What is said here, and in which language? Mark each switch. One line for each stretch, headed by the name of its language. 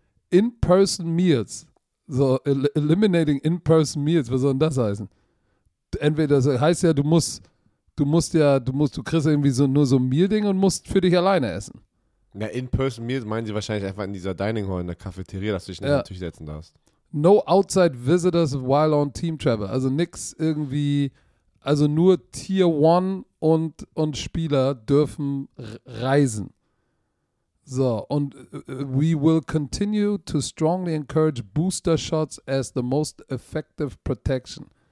English: In-person Meals. So, eliminating in-person Meals,
German: was soll denn das heißen? Entweder, das heißt ja, du kriegst irgendwie so, nur so ein Meal-Ding und musst für dich alleine essen. Ja, in-person Meals meinen sie wahrscheinlich einfach in dieser Dining Hall, in der Cafeteria, dass du dich nicht natürlich setzen darfst.
English: No outside visitors while on team travel.
German: Also nix irgendwie, also nur Tier 1 und Spieler dürfen reisen.
English: So, und we will continue to strongly encourage booster shots as the most effective protection.